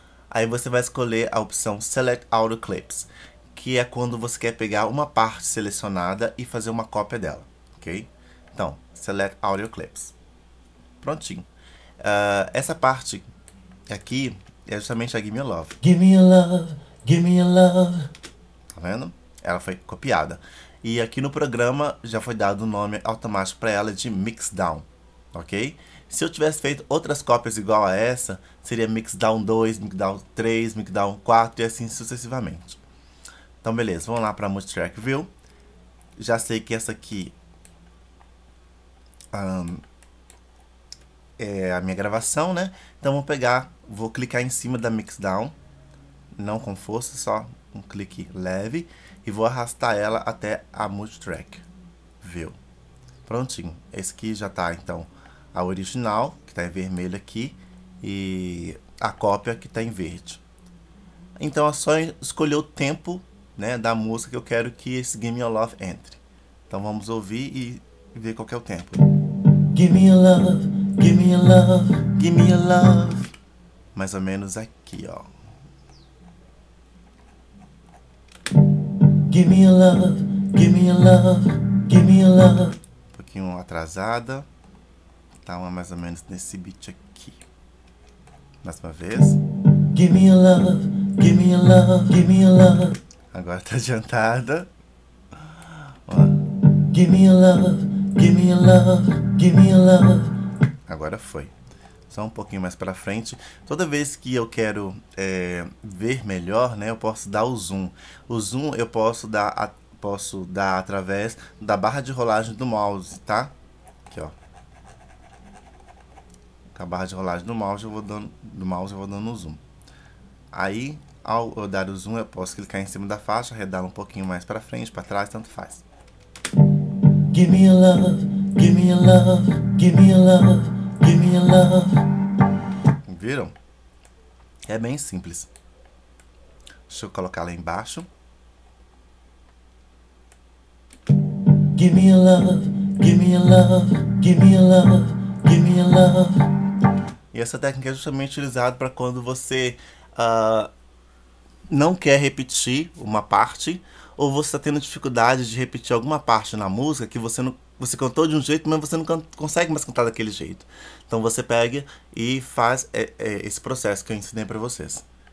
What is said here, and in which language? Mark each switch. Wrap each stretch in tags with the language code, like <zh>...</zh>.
<pt>Aí você vai escolher a opção Select All the Clips, que é quando você quer pegar uma parte selecionada e fazer uma cópia dela, ok? Então, Select All the Clips. Prontinho. Essa parte aqui é justamente a Give Me Your Love.</pt> <en>Give me your love, give me your love.</en> <pt>Tá vendo? Ela foi copiada. E aqui no programa já foi dado o nome automático para ela de Mixdown, ok? Se eu tivesse feito outras cópias igual a essa, seria Mixdown 2, Mixdown 3, Mixdown 4 e assim sucessivamente. Então, beleza, vamos lá para Multitrack View. Já sei que essa aqui. É a minha gravação, né? Então vou pegar, vou clicar em cima da Mixdown, não com força, só um clique leve, e vou arrastar ela até a Multitrack View. Prontinho. Esse aqui já tá, então, a original, que tá em vermelho aqui, e a cópia que tá em verde. Então é só escolher o tempo, né, da música que eu quero que esse Give Me Your Love entre. Então vamos ouvir e ver qual que é o tempo.</pt> <en>Give me your love, give me your love, give me your love.</en> <pt>Mais ou menos aqui, ó.</pt> <en>Give me your love, give me your love, give me your love.</en> <pt>Um pouquinho atrasada. Tá mais ou menos nesse beat aqui. Mais uma vez.</pt> <en>Give me your love, give me your love, give me your love.</en> <pt>Agora tá adiantada.</pt> <en>Give me your love. Give me love, give me love.</en> <pt>Agora foi. Só um pouquinho mais para frente. Toda vez que eu quero ver melhor, né, eu posso dar o zoom. O zoom eu posso dar através da barra de rolagem do mouse, tá? Aqui, ó. Com a barra de rolagem do mouse eu vou dando o zoom. Aí, ao eu dar o zoom, eu posso clicar em cima da faixa, arredar um pouquinho mais para frente, para trás, tanto faz.</pt> <en>Give me your love, give me your love, give me your love, give me your love.</en> <pt>Viram? É bem simples. Deixa eu colocar lá embaixo.</pt> <en>Give me your love, give me your love, give me your love, give me your love.</en> <pt>E essa técnica é justamente utilizada para quando você não quer repetir uma parte, ou você está tendo dificuldade de repetir alguma parte na música que você não Você cantou de um jeito, mas você não consegue mais cantar daquele jeito. Então você pega e faz esse processo que eu ensinei para vocês.</pt>